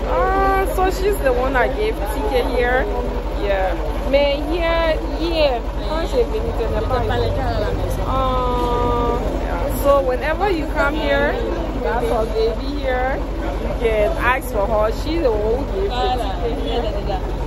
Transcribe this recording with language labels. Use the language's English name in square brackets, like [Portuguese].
[English] Ah, so she's the one that gave ticket here. Yeah. [French] Mais hier, quand j'ai venu, tu n'es pas à la maison. [English] So whenever you come here, that's our baby here. You can ask for her. She's the one who gave the ticket here.